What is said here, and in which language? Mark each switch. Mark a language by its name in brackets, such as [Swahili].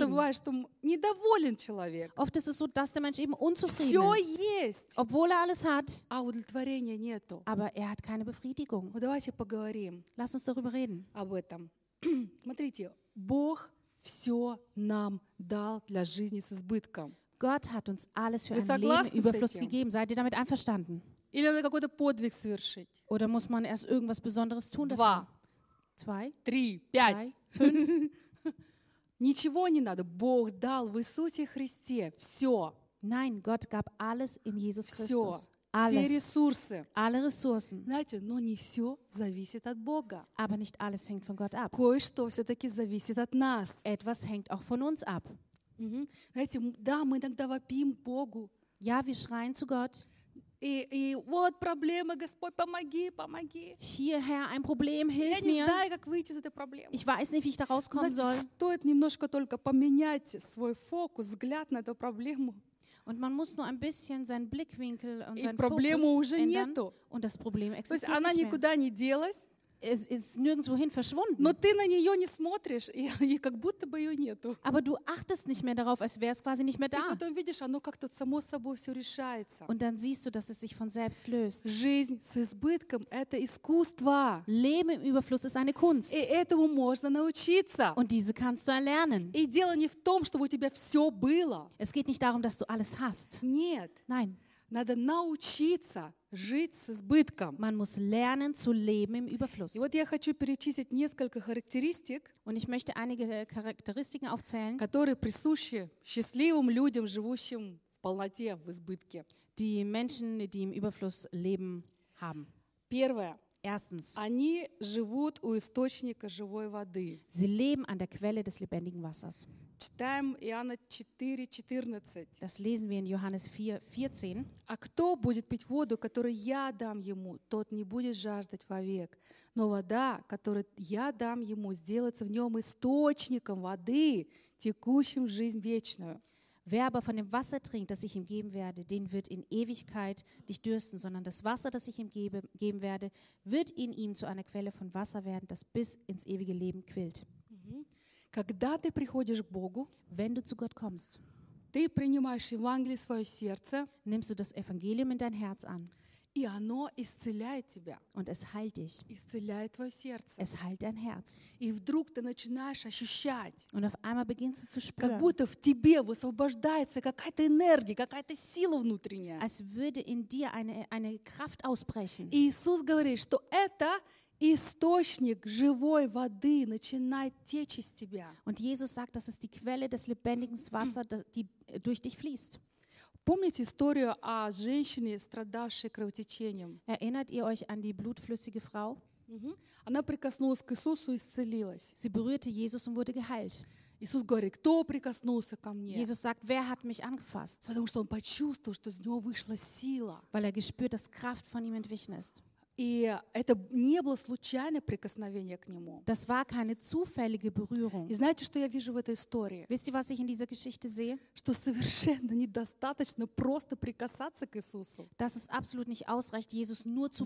[Russian] Часто бывает, что недоволен человек. [German] Oft ist es so, dass der Mensch eben unzufrieden [Russian] все [German] ist. [Russian] Все есть. [German] Obwohl er alles hat. [Russian] А удовлетворения нету. [German] Aber er hat keine Befriedigung. [Russian] Ну, давайте поговорим. [German] Lass uns darüber reden. [Russian] Об этом. Смотрите, Бог все нам дал для жизни с избытком. [German] Gott hat uns alles für ein Leben überfluss gegeben. Seid ihr damit einverstanden? [Russian] Или надо какой-то подвиг совершить? [German] Oder muss man erst irgendwas Besonderes tun dafür? [Russian] Два. [German] Zwei. [Russian] Три. Пять. [German] Drei, fünf. [Russian] Ничего не надо. Бог дал в Иисусе Христе все. [German] Nein, Gott gab alles in Jesus [Russian] все. [German] Christus. Alles. [Russian] Все ресурсы. [German] Alle Ressourcen. [Russian] Знаете, но не все зависит от Бога. [German] Aber nicht alles hängt von Gott ab. [Russian] Кое-что все-таки зависит от нас. [German] Etwas hängt auch von uns ab. Mm-hmm. [Russian] Знаете, да, мы иногда вопим Богу. [German] Ja, wir schreien zu Gott. [Russian] И вот проблема, Господь, помоги, помоги. [German] Hier, Herr, ein Problem, hilf [Russian] Я не [German] mir. [Russian] Знаю, как выйти из этой проблемы. [German] Ich weiß nicht, wie ich da rauskommen soll. [Russian] Стоит немножко только поменять свой фокус, взгляд на эту проблему. [German] Und man muss nur ein bisschen seinen Blickwinkel und seinen Problemы Fokus ändern. [Russian] Нету. [German] Und das Problem existiert [Russian] То есть, она [German] nicht mehr. [Russian] Никуда не делась. [German] Es ist nirgendwohin verschwunden. [Russian] Но ты на нее не смотришь, и как будто бы ее нету. [German] Aber du achtest nicht mehr darauf, als wäre es quasi nicht mehr da. [Russian] И потом видишь, оно как-то само собой все решается. [German] Und dann siehst du, dass es sich von selbst löst. [Russian] Жизнь с избытком – это искусство. [German] Leben im Überfluss ist eine Kunst. [Russian] И этому можно научиться. [German] Und diese kannst du erlernen. [Russian] И дело не в том, чтобы у тебя все было. [German] Es geht nicht darum, dass du alles hast. [Russian] Нет. [German] Nein. [Russian] Надо научиться жить с избытком. [German] Man muss lernen zu leben im Überfluss. [Russian] И вот я хочу перечислить несколько характеристик, [German] Und ich möchte einige Charakteristiken aufzählen, [Russian] которые присущи счастливым людям, живущим в полноте, в избытке. [German] Die Menschen, die im Überfluss leben, haben. [Russian] Первое. [German] Erstens. [Russian] Они живут у источника живой воды. [German] Sie leben an der Quelle des lebendigen Wassers. [Russian] Читаем Иоанна 4:14. [German] Das lesen wir in Johannes 4:14. [Russian] А кто будет пить воду, которую я дам ему, тот не будет жаждать вовек. Но вода, которую я дам ему, сделается в нем источником воды, текущим в жизнь вечную. [German] Wer aber von dem Wasser trinkt, das ich ihm geben werde, den wird in Ewigkeit nicht dürsten, sondern das Wasser, das ich ihm geben werde, wird in ihm zu einer Quelle von Wasser werden, das bis ins ewige Leben quillt. [Russian] Когда ты приходишь к Богу, [German] wenn du zu Gott kommst, [Russian] ты принимаешь Евангелие в свое сердце, [German] nimmst du das Evangelium in dein Herz an, [Russian] и оно исцеляет тебя, [German] und es heilt dich, [Russian] исцеляет твое сердце, [German] es heilt dein Herz, [Russian] и вдруг ты начинаешь ощущать, [German] und auf einmal beginnst du zu spüren, [Russian] как будто в тебе высвобождается какая-то энергия, какая-то сила внутренняя, [German] als würde in dir eine Kraft ausbrechen. [Russian] И Иисус говорит, что это источник живой воды начинает течь из тебя. [German] Und Jesus sagt, das ist die Quelle des lebendigen Wassers, die durch dich fließt. [Russian] Помните историю о женщине, страдавшей кровотечением? [German] Erinnert ihr euch an die blutflüssige Frau? [Russian] Она прикоснулась к Иисусу и исцелилась. [German] Sie berührte Jesus und wurde geheilt. [Russian] Иисус говорит, кто прикоснулся ко мне? [German] Jesus sagt, wer hat mich angefasst? [Russian] Потому что он почувствовал, что из него вышла сила. [German] Weil gespürt, dass Kraft von ihm entwichen ist. [Russian] И это не было случайное прикосновение к нему. [German] Das war keine zufällige Berührung. [Russian] И знаете, что я вижу в этой истории? [German] Wisst ihr, was ich in dieser Geschichte sehe? [Russian] Что совершенно недостаточно просто прикасаться к Иисусу. [German] Dass es absolut nicht ausreicht, Jesus nur zu